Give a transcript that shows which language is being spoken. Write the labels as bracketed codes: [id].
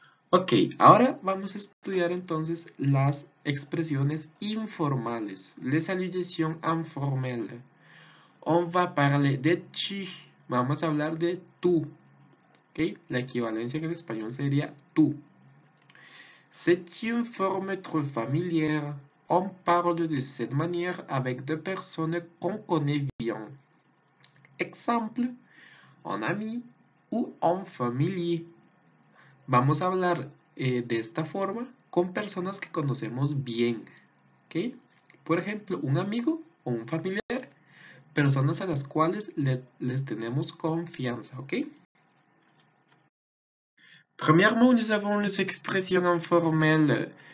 [es] Ok, ahora vamos a estudiar entonces las expresiones informales. [fr] Les salutations informelles. On va parler de tu. [es] Vamos a hablar de tú. Ok, la equivalencia en el español sería tú. [fr] C'est une forme très familière. On parle de cette manière avec des personnes qu'on connaît bien. Exemple, un ami ou un familier. [es] Vamos a hablar de esta forma con personas que conocemos bien, ¿okay? Por ejemplo, un amigo o un familiar, personas a las cuales les tenemos confianza, ¿ok? [fr] Premièrement, avons les expressions informelles.